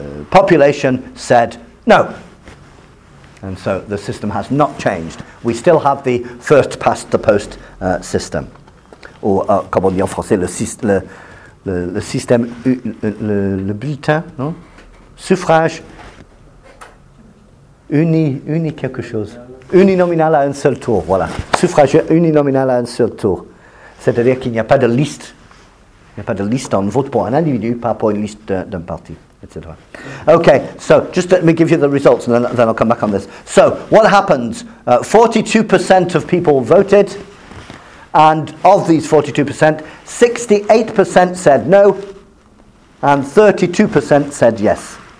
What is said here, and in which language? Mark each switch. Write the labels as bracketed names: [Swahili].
[English] Population said no. And so the system has not changed. We still have the first past the post system. [French] Or, comment dire en français, le système, le bulletin, non? Suffrage. Uni quelque chose. Uninominal à un seul tour, voilà. Suffrage uninominal à un seul tour. C'est-à-dire qu'il n'y a pas de liste. Il n'y a pas de liste en vote pour un individu, pas pour une liste d'un parti, etc. [English] Okay, so just let me give you the results and then I'll come back on this. So, what happened? 42% of people voted. And of these 42%, 68% said no, and 32% said yes.